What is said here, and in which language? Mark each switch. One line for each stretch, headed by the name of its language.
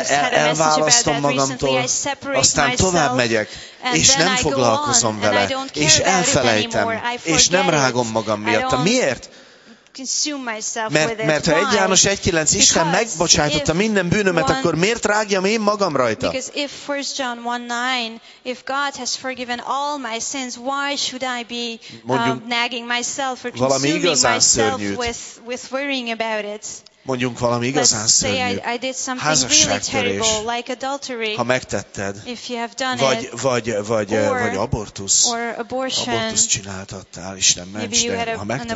Hungarian: Elválasztom magamtól. Aztán tovább megyek, és nem foglalkozom vele, és elfelejtem, és nem rágom magam miatta. Miért?
English: Consume myself with it.
Hungarian: Mert ha 1 János 1:9 Isten megbocsájtotta minden bűnömet, akkor miért rágjam én magam rajta?
English: Because if 1 John 1:9, if God has forgiven all my sins, why should I be nagging myself or consuming myself with worrying about it?
Hungarian: Mondjunk valami igazán szörnyű. Házasságtörés.
English: Like adultery,
Hungarian: ha megtetted,
English: if you have done
Hungarian: vagy abortusz,
English: or abortion,
Hungarian: abortuszt csináltattál, Isten ments, de ha megtetted,